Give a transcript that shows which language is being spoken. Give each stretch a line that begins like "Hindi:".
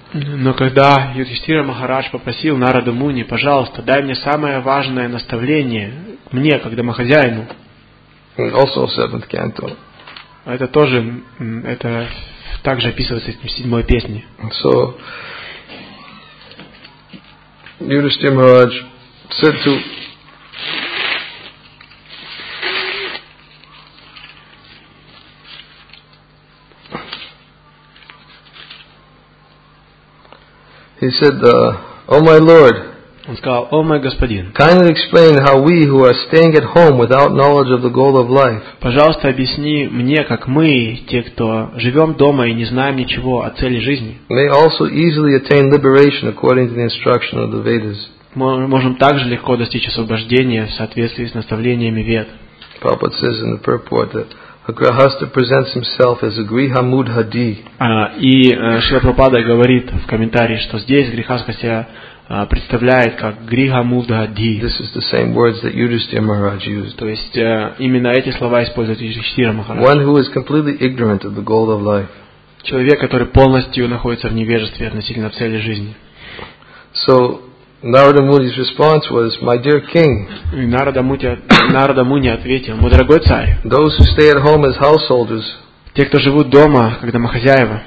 Russian: Но когда Юдхиштхира Махарадж попросил Нараду Муни, пожалуйста, дай мне самое важное наставление мне, как домохозяину.
English: Also seventh canto.
Russian: Это тоже, это также описывается в седьмой песне.
English: So Юдхиштхира Махарадж said to He said, "Oh my Lord, kindly explain how we who are staying at home without knowledge of the goal of life,
Russian: пожалуйста, объясни мне, как мы, те, кто живем дома и не знаем ничего о цели жизни,
English: may also easily attain liberation according to the instruction of the Vedas.
Russian: Мы можем также легко достичь освобождения в соответствии с наставлениями Вед.
English: Prabhupada says in the purport that a grihastha presents himself as a griha mudhadi.
Russian: И Шрила Прабхупада говорит в комментарии, что здесь грихастха себя представляет как griha mudhadi.
English: This is the same words that Yudhishthira Maharaj used.
Russian: То есть именно эти слова использует Юдхиштхира Махарадж.
English: One who is completely ignorant of the goal of life.
Russian: Человек, который полностью находится в невежестве относительно цели жизни.
English: So Narada Muni's response was, "My dear king."
Russian: Narada Muni ответил, "Мой дорогой царь."
English: Those who stay at home as householders,
Russian: те, кто живут дома как домохозяева,